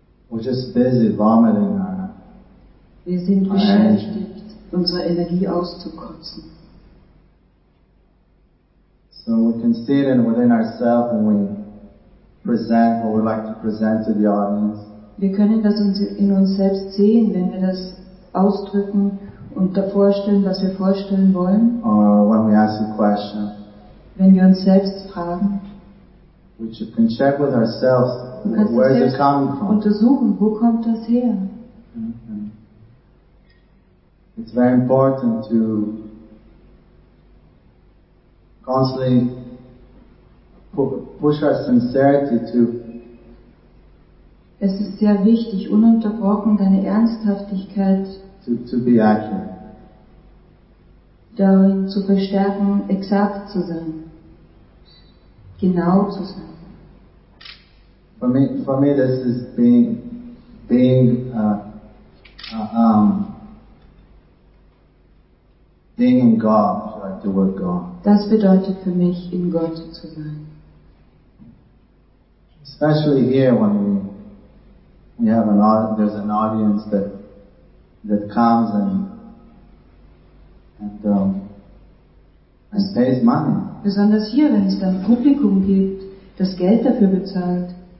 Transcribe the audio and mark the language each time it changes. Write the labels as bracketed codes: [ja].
[en] We're just busy vomiting [de] Wir sind beschäftigt, unsere Energie auszukotzen. [en] So we can see it within ourselves when we present what we like to present to the audience. [de] Wir können das in uns selbst sehen, wenn wir das ausdrücken und davor stellen, was wir vorstellen wollen. [en] When we ask a question, [de] wenn wir uns selbst fragen, [en] we can check with ourselves, where is it coming from? [de] Untersuchen, wo kommt das her? Mm-hmm. [en] It's very important to constantly push our sincerity to. [de] Es ist sehr wichtig, ununterbrochen deine Ernsthaftigkeit [en] to be accurate. [de] Darin zu verstärken, exakt zu sein, genau zu sein. [en] For me, this is being in God, like the word God. [de] Das bedeutet für mich, in Gott zu sein. [en] Especially here when we have there's an audience that comes and pays money. [de] Besonders hier, wenn es dann Publikum gibt, das Geld dafür bezahlt.